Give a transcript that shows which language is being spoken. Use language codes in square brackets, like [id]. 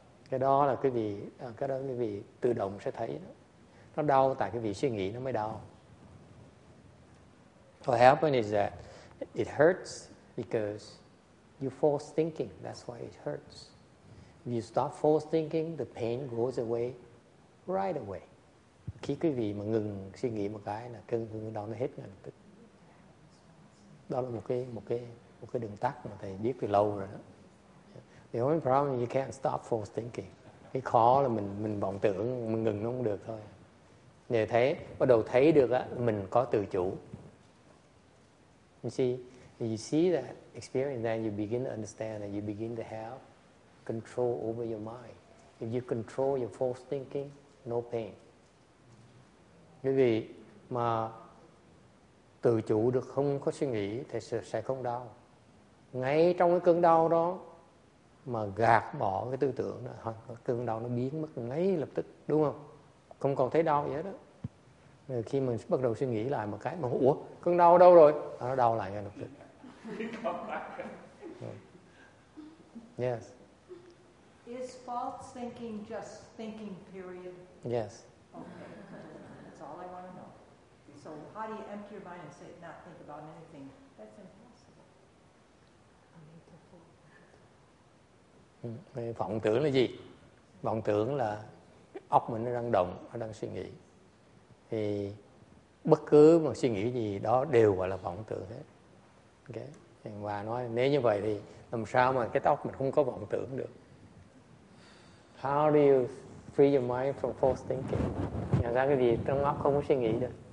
[vi] Cái đó là cái vị, cái đó cái vị tự động sẽ thấy đó. Nó đau tại cái vị suy nghĩ nó mới đau. [en] What happened is that it hurts because you force thinking, that's why it hurts. If you stop force thinking, the pain goes away right away. [vi] Khi quý vị mà ngừng suy nghĩ một cái là cơn đau nó hết ngay lập tức. Đó là một cái đường tắt mà thầy biết từ lâu rồi đó. [en] The only problem is you can't stop false thinking. [vi] Cái khó là mình vọng tưởng, mình ngừng nó không được thôi. Nhờ thế, bắt đầu thấy được á, mình có tự chủ. [en] You see that experience, then you begin to understand and you begin to have control over your mind. If you control your false thinking, no pain. [vi] Bởi vì mà tự chủ được không có suy nghĩ thì sẽ không đau. Ngay trong cái cơn đau đó, mà gạt bỏ cái tư tưởng đó, cơn đau nó biến mất ngay lập tức, đúng không? Không còn thấy đau gì hết đó. Rồi khi mình bắt đầu suy nghĩ lại một cái, mà ủa, cơn đau đâu rồi? Nó đau lại ngay lập tức. [en] Yes. Is false thinking just thinking, period? Yes. Okay, that's all I want to know. So how do you empty your mind and say, not think about anything? That's impossible. [vi] Vọng tưởng là gì? Vọng tưởng là óc mình nó đang động, nó đang suy nghĩ. Thì bất cứ một suy nghĩ gì đó đều gọi là vọng tưởng hết. Okay. Và nói nếu như vậy thì làm sao mà cái óc mình không có vọng tưởng được? [en] How do you free your mind from false thinking? [vi] Nhận ra cái gì trong óc không có suy nghĩ được?